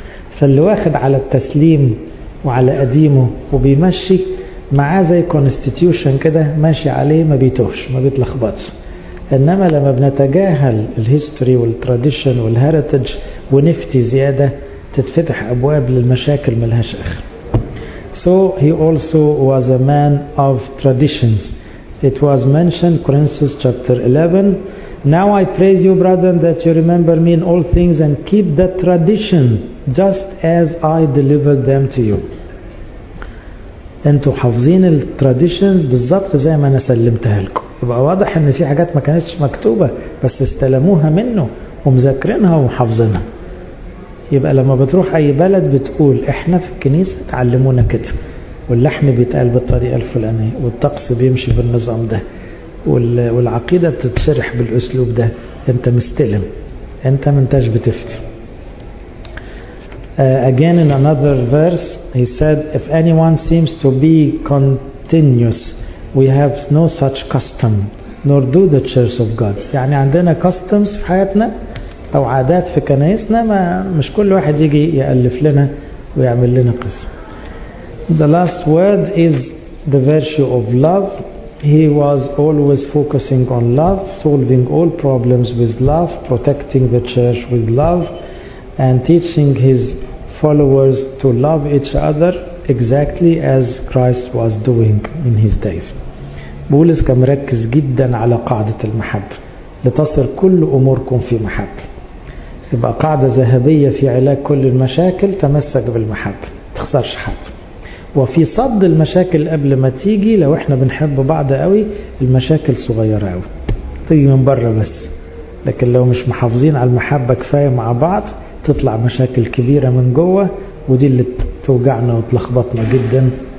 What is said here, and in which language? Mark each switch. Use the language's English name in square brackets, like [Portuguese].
[Arabic] فاللي واخد على التسليم وعلى قديمه وبيمشي معاه زي كونستيتيوشن كده ماشي عليه، ما بيتوهش، ما بيتلخبطش. انما لما بنتجاهل الهيستوري والتراديشن والهيريتج ونفتي زياده، تتفتح ابواب للمشاكل ملهاش اخر. [English] So he also was a man of traditions. It was mentioned Corinthians chapter 11. Now I praise you, brethren, that you remember me in all things and keep the tradition just as I delivered them to you. [Arabic] انتوا حافظين التراديشنز بالظبط زي ما انا سلمتها لكم. يبقى واضح ان في حاجات ما كانتش مكتوبه بس استلموها منه ومذاكرينها ومحافظينها. يبقى لما بتروح اي بلد بتقول احنا في الكنيسه تعلمونا كده، واللحم بيتقال بالطريقه الفلانيه، والطقس بيمشي بالنظام ده، والعقيده بتتشرح بالاسلوب ده. انت مستلم، انت ما انتش بتفتي. [English] Again in another verse he said, if anyone seems to be continuous, we have no such custom nor do the church of God. [Arabic] يعني عندنا customs في حياتنا او عادات في كنائسنا، ما مش كل واحد يجي يألف لنا ويعمل لنا قصة. [English] The last word is the virtue of love. He was always focusing on love, solving all problems with love, protecting the church with love, and teaching his followers to love each other exactly as Christ was doing in his days. [Arabic] بولس كان مركز جدا على قاعدة المحبة، لتصل كل أموركم في محبة. يبقى قاعدة ذهبية في علاج كل المشاكل، تمسك بالمحبة، تخسرش حد. وفي صد المشاكل قبل ما تيجي، لو احنا بنحب بعض قوي المشاكل صغيرة قوي تيجي من بره بس، لكن لو مش محافظين على المحبة كفاية مع بعض تطلع مشاكل كبيرة من جوه، ودي اللي توجعنا وتلخبطنا جدا.